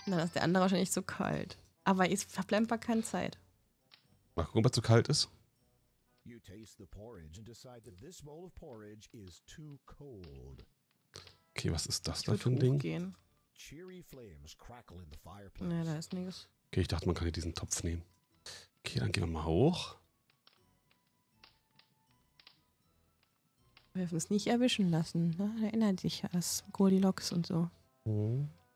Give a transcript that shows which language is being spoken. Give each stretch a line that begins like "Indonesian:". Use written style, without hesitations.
German: Dann ist der andere wahrscheinlich zu kalt. Aber ich verplempere mal keine Zeit. Mal gucken, ob er zu kalt ist.
English: You taste the porridge and decide that this bowl of porridge is too cold.
German: Okay, was ist das da für ein Ding? Gehen.
English: Cheery flames crackle in the fireplace.
German: Nee, da ist nichts. Okay, ich dachte, man kann hier diesen Topf nehmen. Okay, dann gehen wir mal hoch. Wir dürfen es nicht erwischen lassen, ne? Erinnert dich an das Goldilocks und so. Hm.